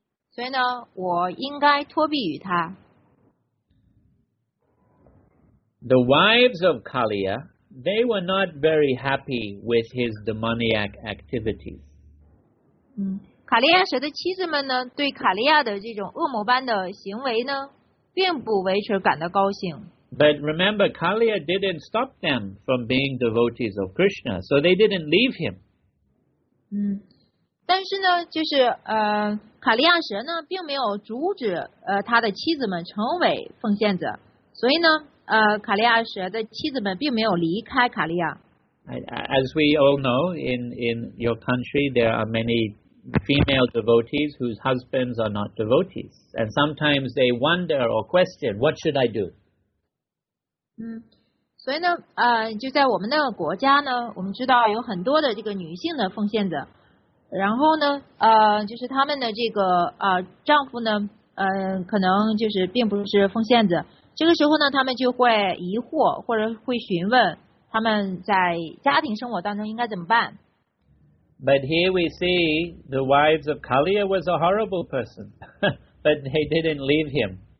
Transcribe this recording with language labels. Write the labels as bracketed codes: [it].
[zh] 所以呢，我应该托庇于他。 [en] The wives of Kaliya, they were not very happy with his demoniac activities. [zh] 卡利亚蛇的妻子们呢，对卡利亚的这种恶魔般的行为呢，并不为此感到高兴。 [en] But remember, Kaliya didn't stop them from being devotees of Krishna, so they didn't leave him. [zh] 但是呢，就是卡利亚蛇呢，并没有阻止他的妻子们成为奉献者，所以呢，卡利亚蛇的妻子们并没有离开卡利亚。 [en] As we all know, in your country, there are many. Female devotees whose husbands are not devotees, and sometimes they wonder or question, "What should I do?" [zh] 所以呢，就在我们的国家呢，我们知道有很多的这个女性的奉献者，然后呢，就是他们的这个丈夫呢，可能就是并不是奉献者，这个时候呢，他们就会疑惑或者会询问他们在家庭生活当中应该怎么办。 [en] But here we see the wives of Kaliya was a horrible person, but they didn't leave him.